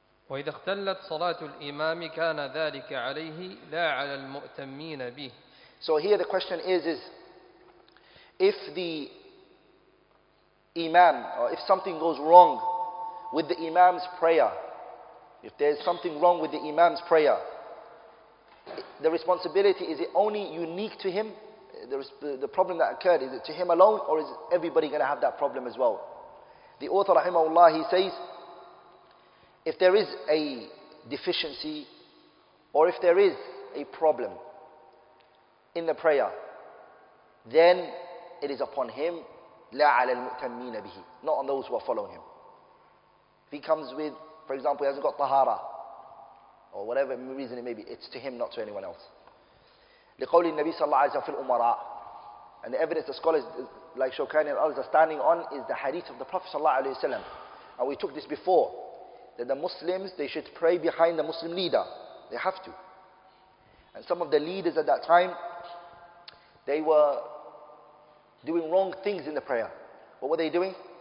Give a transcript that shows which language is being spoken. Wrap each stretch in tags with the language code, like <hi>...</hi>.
<ar>وإذا اختلت صلاة الإمام كان ذلك عليه لا على المؤتمين به.</ar> <en>So here the question is if the imam, or if something goes wrong with the imam's prayer, if there's something wrong with the imam's prayer, the responsibility, is it only unique to him? The problem that occurred, is it to him alone, or is everybody going to have that problem as well? The author, rahimahullah, he says, if there is a deficiency, or if there is a problem in the prayer, then it is upon him,</en> <ar>لا على المؤتمين به,</ar> <en>not on those who are following him. If he comes with, for example, he hasn't got tahara, or whatever reason it may be, it's to him, not to anyone else.</en> <ar>لقول النبي صلى الله عليه وسلم في الأمراء.</ar> <en>And the evidence the scholars like Shawkani and others are standing on is the hadith of the Prophet</en> <ar>صلى الله عليه وسلم.</ar> <en>And we took this before, that the Muslims, they should pray behind the Muslim leader. They have to. And some of the leaders at that time, they were doing wrong things in the prayer. What were they doing?</en>